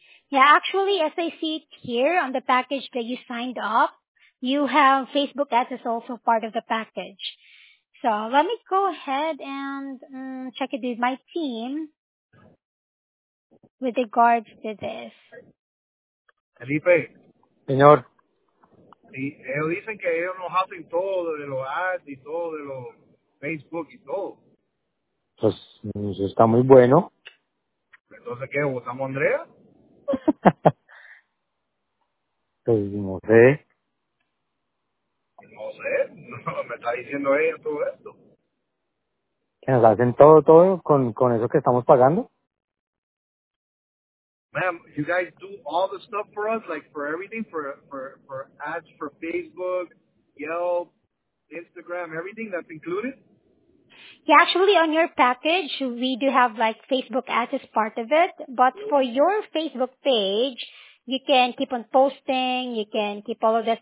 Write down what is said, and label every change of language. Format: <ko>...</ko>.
<en>Yeah, actually, as I see it here on the package that you signed up, you have Facebook ads as also part of the package. So let me go ahead and check it with my team with regards to this.</en> <es>Felipe. Señor. Ellos dicen que ellos nos hacen todo de los ads y todo de los Facebook y todo. Pues eso está muy bueno. Entonces, ¿qué? ¿Votamos a Andrea? Pues no sé. No sé. No, me está diciendo ella todo esto. ¿Que nos hacen todo con eso que estamos pagando?</es> <en>Ma'am, you guys do all the stuff for us, like for everything, for ads for Facebook, Yelp, Instagram, everything that's included? Yeah, actually on your package, we do have like Facebook ads as part of it. But for your Facebook page, you can keep on posting, you can keep all of this.</en>